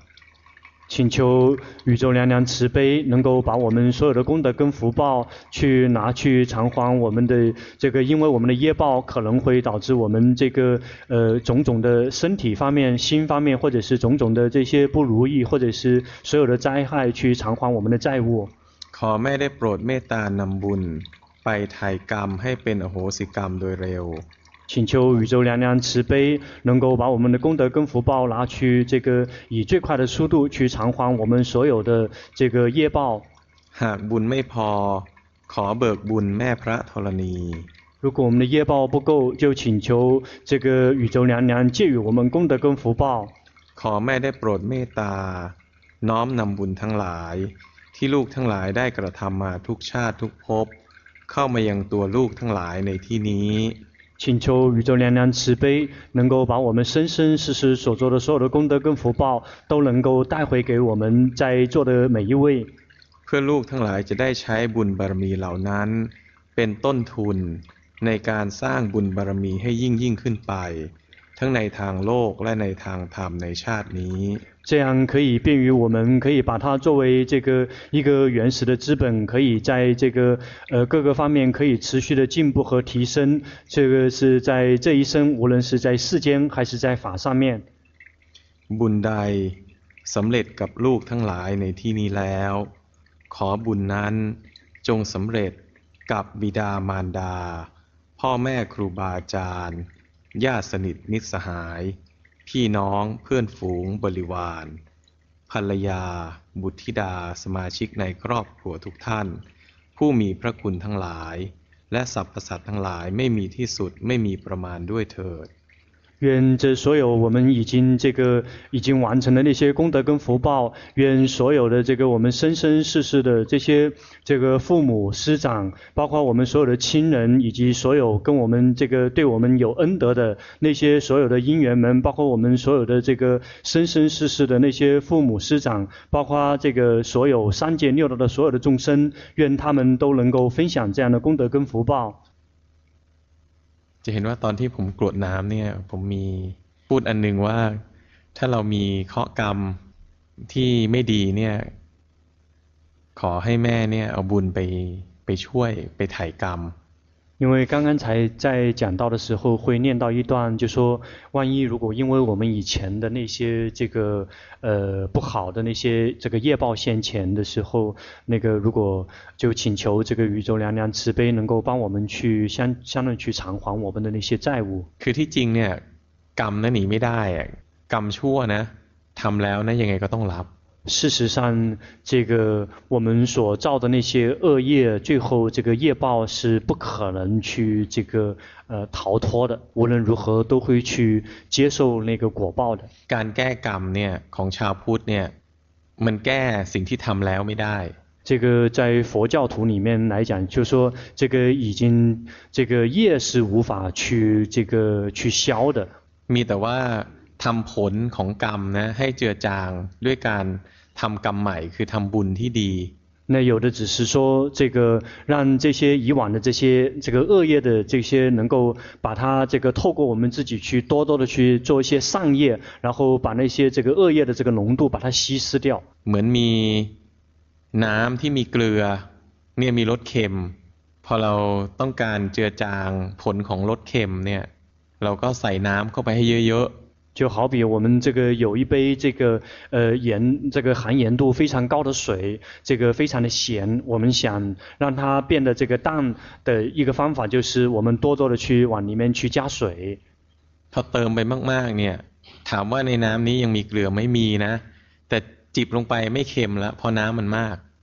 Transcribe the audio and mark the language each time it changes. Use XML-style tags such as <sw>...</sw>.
<zh>ๆ请求宇宙娘娘慈悲能够把我们所有的功德跟福报去拿去偿还我们的这个因为我们的业报可能会导致我们这个种种的身体方面心方面或者是种种的这些不如意或者是所有的灾害去偿还我们的债务</zh> <th>ขอแม่ได้โปรดเมตตานำบุญไปไถ่กรรมให้เป็นอโหสิกรรมโดยเร็ว</th> <zh>请求宇宙娘娘慈悲，能够把我们的功德跟福报拿去，这个以最快的速度去偿还我们所有的这个业报。</zh> <th>หากบุญไม่พอ ขอเบิกบุญแม่พระธรณี。</th> <zh>如果我们的业报不够，就请求这个宇宙娘娘借予我们功德跟福报。</zh> <th>ขอแม่ได้โปรดเมตตา น้อมนำบุญทั้งหลาย ที่ลูกทั้งหลายได้กระทำมาทุกชาติทุกภพ เข้ามายังตัวลูกทั้งหลายในที่นี้</th> <zh>请求宇宙娘娘慈悲，能够把我们生生世世所做的所有的功德跟福报，都能够带回给我们在座的每一位。</zh> <th>เพื่อลูกทั้งหลายจะได้ใช้บุญบารมีเหล่านั้นเป็นต้นทุนในการสร้างบุญบารมีให้ยิ่งขึ้นไปทั้งในทางโลกและในทางธรรมในชาตินี้</th> <zh>这样可以便于我们可以把它作为这个一个原始的资本可以在这个各个方面可以持续的进步和提升这个是在这一生无论是在世间还是在法上面</zh> <th>บุญใดสำเร็จกับลูกทั้งหลายในที่นี้แล้วขอบุญนั้นจงสำเร็จกับบิดามารดาพ่อแม่ครูบาอาจารย์ญาติสนิทมิตรสหาย พี่น้องเพื่อนฝูงบริวารภรรยาบุตรธิดาสมาชิกในครอบครัวทุกท่านผู้มีพระคุณทั้งหลายและสรรพสัตว์ทั้งหลายไม่มีที่สุดไม่มีประมาณด้วยเถิด</th> <zh>愿这所有我们已经这个已经完成的那些功德跟福报，愿所有的这个我们生生世世的这些这个父母师长，包括我们所有的亲人，以及所有跟我们这个对我们有恩德的那些所有的因缘们，包括我们所有的这个生生世世的那些父母师长，包括这个所有三界六道的所有的众生，愿他们都能够分享这样的功德跟福报。</zh> <th>จะเห็นว่าตอนที่ผมกรวดน้ำเนี่ยผมมีพูดอันหนึ่งว่าถ้าเรามีเคราะห์กรรมที่ไม่ดีเนี่ยขอให้แม่เนี่ยเอาบุญไปช่วยไปไถ่กรรม</th> <zh>因为刚刚才在讲到的时候会念到一段就说万一如果因为我们以前的那些这个不好的那些这个业报现前的时候那个如果就请求这个宇宙娘娘慈悲能够帮我们去相当于去偿还我们的那些债务</zh> <th>คือที่จริงเนี่ยกรรมนั้นหนีไม่ได้กรรมชั่วนะทำแล้วนะยังไงก็ต้องรับ</th> <zh>事实上这个我们所造的那些恶业最后这个业报是不可能去这个逃脱的无论如何都会去接受那个果报的</zh> <th>การแก้กรรมเนี่ยของชาวพุทธเนี่ยมันแก้สิ่งที่ทำแล้วไม่ได้</th> <zh>这个在佛教徒里面来讲就说这个已经这个业是无法去这个去消的</zh> <th>มีแต่ว่าทำผลของกรรมนะให้เจือจางด้วยการทำกรรมใหม่คือทำบุญที่ดี</th> <zh>那有的只是说这个让这些以往的这些这个恶业的这些能够把它这个透过我们自己去多多的去做一些善业然后把那些这个恶业的这个浓度把它稀释掉</zh> <th>เหมือนมีน้ำที่มีเกลือเนี่ยมีรสเค็มพอเราต้องการเจือจางผลของรสเค็มเนี่ยเราก็ใส่น้ำเข้าไปให้เยอะๆ</th> <zh>就好比我们这个有一杯这个盐这个含盐度非常高的水这个非常的咸我们想让它变得这个淡的一个方法就是我们多多的去往里面去加水</zh> <th>พอเติมไปมากๆเนี่ยถามว่าในน้ำนี้ยังมีเกลือไม่มีนะแต่จิบลงไปไม่เค็มแล้วพอน้ำมันมาก</th>